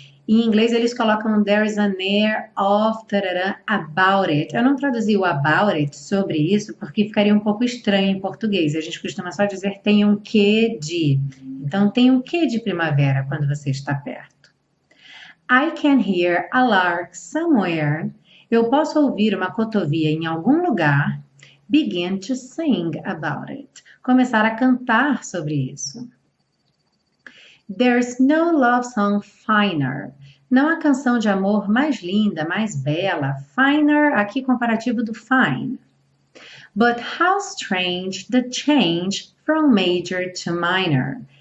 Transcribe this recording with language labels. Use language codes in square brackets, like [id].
[pt] Em inglês eles colocam [en] there's an air of tarará, about it. [pt] Eu não traduzi o about it sobre isso porque ficaria um pouco estranho em português. A gente costuma só dizer tem um quê de. Então tem um quê de primavera quando você está perto. [en] I can hear a lark somewhere. [pt] Eu posso ouvir uma cotovia em algum lugar. [en] Begin to sing about it. [pt] Começar a cantar sobre isso. [en] There's no love song finer. [pt] Não há canção de amor mais linda, mais bela. Finer, aqui comparativo do fine. [en] But how strange the change from major to minor.